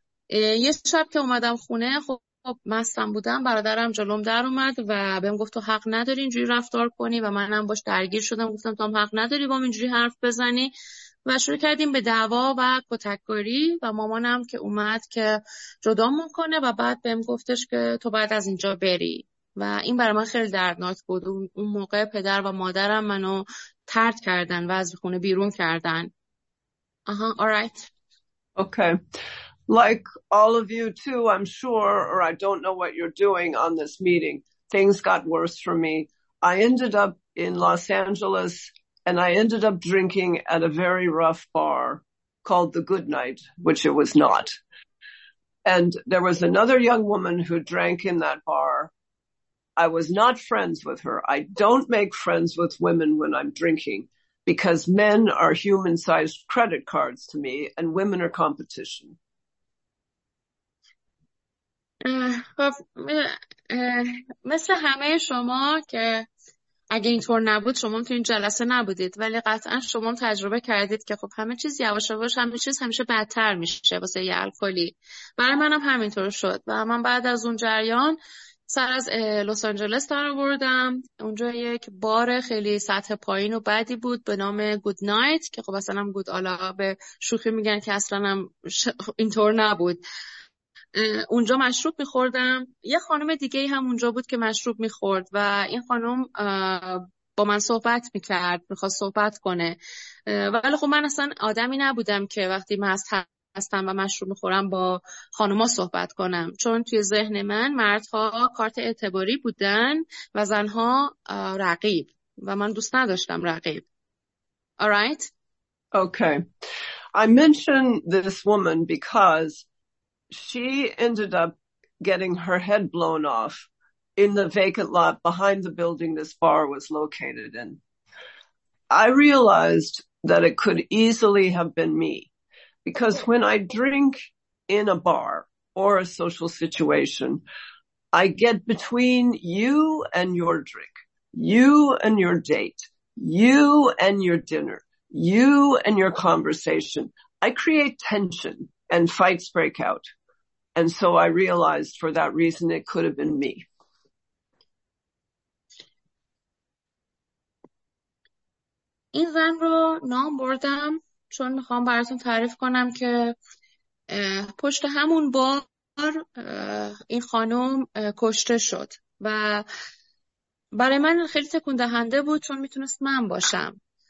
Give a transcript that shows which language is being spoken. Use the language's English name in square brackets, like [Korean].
[Persian] یه شب که اومدم خونه، خب مستم بودم، برادرم جلوم در اومد و بهم گفت تو حق نداری اینجوری رفتار کنی، و منم باش درگیر شدم، گفتم تو هم حق نداری با من اینجوری حرف بزنی، و شروع کردیم به دعوا و کتککاری و مامانم که اومد که جدامون کنه و بعد بهم گفتش که تو باید از اینجا بری، و این برای من خیلی دردناک بود. اون موقع پدر و مادرم منو طرد کردن و از خونه بیرون کردن. آها، [English] alright. Okay. Like all of you too, I'm sure, or I don't know what you're doing on this meeting. Things got worse for me. I ended up in Los Angeles and I ended up drinking at a very rough bar called the Good Night, which it was not. And there was another young woman who drank in that bar. I was not friends with her. I don't make friends with women when I'm drinking, because men are human-sized credit cards to me and women are competition. [Persian] خب مثل همه شما که اگه اینطور نبود شما تو این جلسه نبودید، ولی قطعا شما تجربه کردید که خب همه چیز یواش یواش، همه چیز همیشه بدتر میشه واسه یه الکلی. برای منم همینطور شد و من بعد از اون جریان سر از لس آنجلس در آوردم. اونجا یک بار خیلی سطح پایین و بدی بود به نام گود نایت، که خب اصلا هم گود آلا به شوخی میگن که اصلا هم اینطور نبود. اونجا مشروب میخوردم، یه خانم دیگه هم اونجا بود که مشروب میخورد و این خانم با من صحبت میکرد، میخواست صحبت کنه، ولی خب من اصلا آدمی نبودم که وقتی مست هستم و مشروب میخورم با خانم‌ها صحبت کنم، چون توی ذهن من مردها کارت اعتباری بودن و زنها رقیب و من دوست نداشتم رقیب. [English] Alright? Okay. I mention this woman because she ended up getting her head blown off in the vacant lot behind the building this bar was located in. I realized that it could easily have been me, because when I drink in a bar or a social situation, I get between you and your drink, you and your date, you and your dinner, you and your conversation. I create tension and fights break out. And so I realized for that reason, it could have been me. [Persian] این زن رو نام بردم چون میخوام براتون تعریف کنم که پشت همون بار این خانم کشته شد و برای من خیلی تکون دهنده بود چون میتونست من باشم.